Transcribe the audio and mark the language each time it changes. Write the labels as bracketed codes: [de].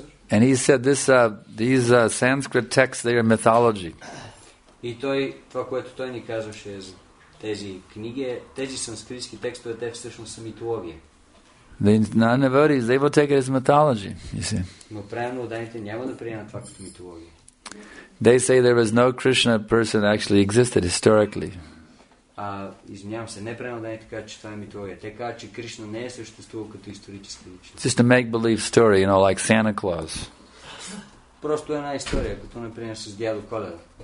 [en] And he said, these Sanskrit texts, they are mythology. [bg] И той, това, което той ни казваше за тези книги, тези санскритски текстове, те всъщност са митология. Но правилно отданите няма да приемат това като митология. [en] They say there was no Krishna person actually existed historically. [bg] Извинявам се, не правилно отданите казват, че това е митология. Те казват, че Кришна не е съществувал като историческа личност. [en] Just a make-believe story, you know, like Santa Claus. [bg] Просто една история, като например с дядо Коледа.